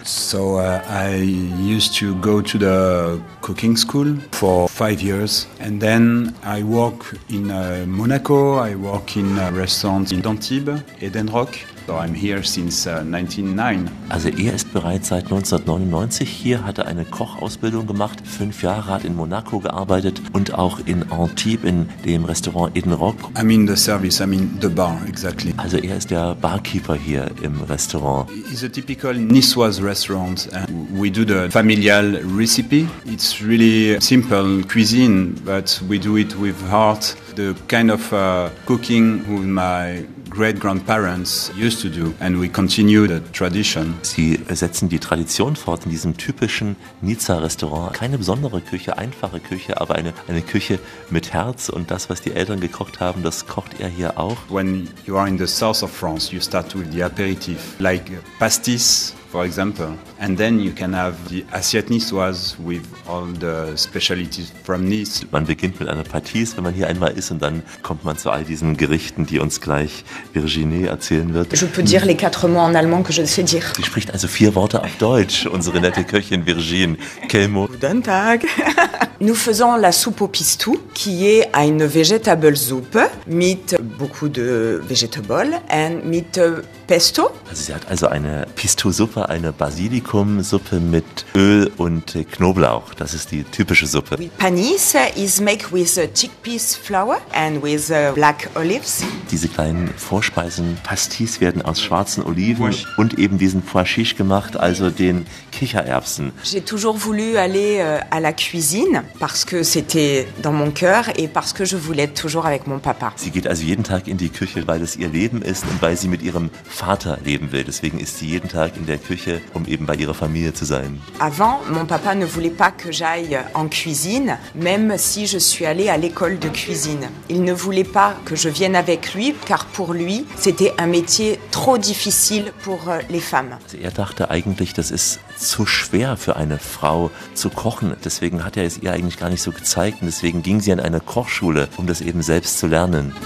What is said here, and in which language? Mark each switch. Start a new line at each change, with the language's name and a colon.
English: So I used to go to the cooking school for 5 years and then I work in Monaco, I work in a restaurant in Antibes, Eden Rock. So I'm here since 1999.
German: Also ist bereits seit 1999 hier, hatte eine Kochausbildung gemacht, 5 Jahre hat in Monaco gearbeitet und auch in Antibes in dem Restaurant Eden Rock.
English: I mean the service, I mean the bar, exactly.
German: Also ist der Barkeeper hier im Restaurant.
English: He's a typical Niçoise restaurant. We do the familial recipe. It's really simple cuisine, but we do it with heart. The kind of cooking with my great-grandparents used to do, and we continue the tradition.
German: Sie setzen die Tradition fort in diesem typischen Nizza-Restaurant. Keine besondere Küche, einfache Küche, aber eine Küche mit Herz. Und das, was die Eltern gekocht haben, das kocht er hier auch.
English: When you are in the south of France, you start with the aperitif, like pastis, for example. And then you can have the assiette niçoise with all the specialties from Nice.
German: Man beginnt mit einer Pâtisse, wenn man hier einmal ist, und dann kommt man zu all diesen Gerichten, die uns gleich Virginie erzählen wird.
French: Je peux dire les quatre mots en allemand que je sais dire.
German: Sie spricht also 4 Worte auf Deutsch, unsere nette Köchin Virginie.
French: Quel mot?
German: Guten Tag.
French: Nous faisons la soupe au pistou, qui est une
English: vegetable soup,
German: mit
French: beaucoup de
English: vegetables and
German: mit
French: pesto.
German: Also sie hat also eine Pistou-Suppe, eine Basilikum-Suppe mit Öl und Knoblauch. Das ist die typische Suppe.
English: Panis is made with chickpeas flour and with black olives.
German: Diese kleinen Vorspeisen, Pastis, werden aus schwarzen Oliven und eben diesen pois chiche gemacht, also den Kichererbsen.
French: J'ai toujours voulu aller à la cuisine, parce que c'était dans mon cœur et parce que je voulais toujours avec mon papa.
German: Sie geht also jeden Tag in die Küche, weil es ihr Leben ist und weil sie mit ihrem Vater leben will. Deswegen ist sie jeden Tag in der Küche, um eben bei ihrer Familie zu sein.
French: Avant, mon papa ne voulait pas que j'aille en cuisine, même si je suis allée à l'école de cuisine. Il ne voulait pas que je vienne avec lui, car pour lui, c'était un métier trop difficile pour les femmes.
German: Er dachte eigentlich, das ist zu schwer für eine Frau zu kochen. Deswegen hat er es ihr eigentlich gar nicht so gezeigt und deswegen ging sie an eine Kochschule, um das eben selbst zu lernen.